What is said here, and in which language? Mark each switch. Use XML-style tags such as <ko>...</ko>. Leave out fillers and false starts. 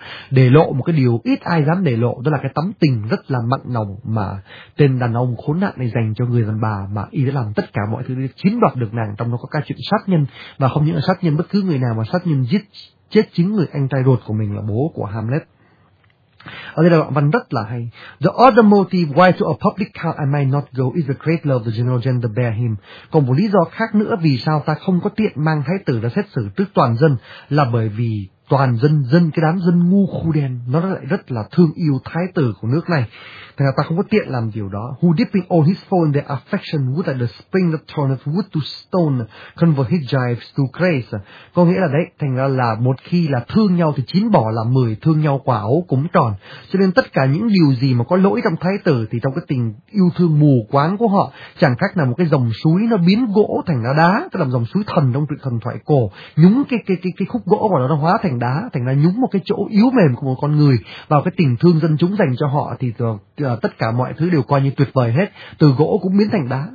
<vi>lộ một cái điều ít ai dám để lộ, đó là cái tấm tình rất là mặn nồng mà tên đàn ông khốn nạn này dành cho người đàn bà mà y đã làm tất cả mọi thứ để chiếm đoạt được nàng, trong đó có cả chuyện sát nhân, và không những là sát nhân bất cứ người nào mà sát nhân giết chết chính người anh trai ruột của mình là bố của Hamlet. Ở đây là đoạn văn rất là hay.</vi> <en>The other motive why to a public count I might not go is the great love the general gender bear him.</en> <vi>Còn một lý do khác nữa vì sao ta không có tiện mang thái tử ra xét xử trước toàn dân là bởi vì toàn dân, dân cái đám dân ngu khu đen nó lại rất là thương yêu thái tử của nước này. Thế là ta không có tiện làm điều đó.</vi> <en>Who dipping all his foe in their affection would that the spring that turneth wood to stone convert his gyves to grace.</en> <vi>Có nghĩa là đấy, thành ra là một khi là thương nhau thì chín bỏ là mười, thương nhau quả ấu cũng tròn. Cho nên tất cả những điều gì mà có lỗi trong thái tử thì trong cái tình yêu thương mù quáng của họ chẳng khác nào một cái dòng suối nó biến gỗ thành ra đá, tức là dòng suối thần trong truyện thần thoại cổ, nhúng cái khúc gỗ của nó hóa thành đá, thành ra nhúng một cái chỗ yếu mềm của một con người vào cái tình thương dân chúng dành cho họ thì tất cả mọi thứ đều coi như tuyệt vời hết, từ gỗ cũng biến thành đá.</vi>